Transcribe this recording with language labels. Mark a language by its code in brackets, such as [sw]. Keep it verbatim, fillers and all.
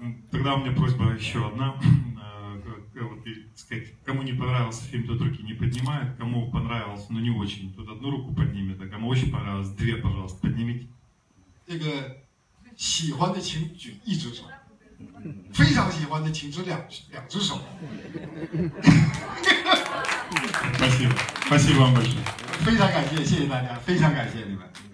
[ru] Тогда у меня просьба еще одна. Вот, сказать, кому не понравился фильм, тот руки не поднимает, кому понравился, но не очень, тот одну руку поднимет, а кому очень понравилось, две, пожалуйста, поднимите. [zh] 这个喜欢的请举一只手，非常喜欢的请举两两只手。 [ru] Спасибо, спасибо вам большое. [zh] 非常感谢，谢谢大家，非常感谢你们。